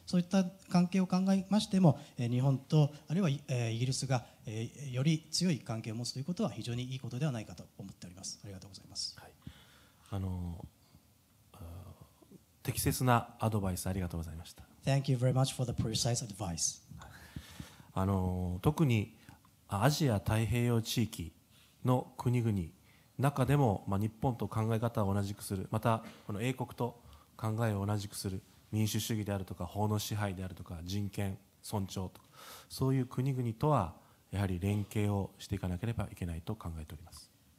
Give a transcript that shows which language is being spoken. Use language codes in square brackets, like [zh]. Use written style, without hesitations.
[ja] そういった関係を考えましても、日本とあるいはイギリスがより強い関係を持つということは非常にいいことではないかと思っております。ありがとうございます。はい、適切なアドバイスありがとうございました。 [en] Thank you very much for the precise advice. [ja] 特にアジア太平洋地域の国々中でも、まあ、日本と考え方を同じくする、またこの英国と考えを同じくする民主主義であるとか法の支配であるとか人権尊重とか、そういう国々とはやはり連携をしていかなければいけないと考えております。